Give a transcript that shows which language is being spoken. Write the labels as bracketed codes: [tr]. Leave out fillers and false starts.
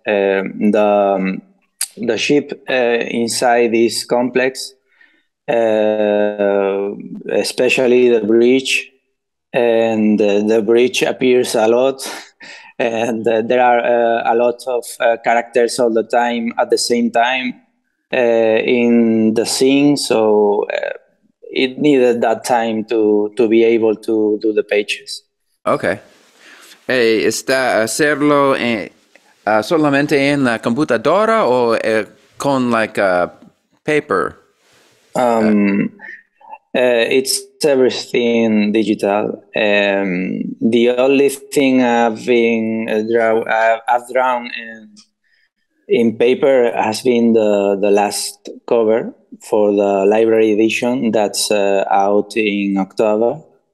[en] The ship inside this complex, especially the bridge, and the bridge appears a lot. And there are a lot of characters all the time at the same time in the scene. So it needed that time to be able to do the pages. Okay. [es] Hey, ¿está hacerlo en, solamente en la computadora o con [en] like a paper? It's everything digital. The only thing I've drawn in paper has been the last cover for the library edition that's out in October.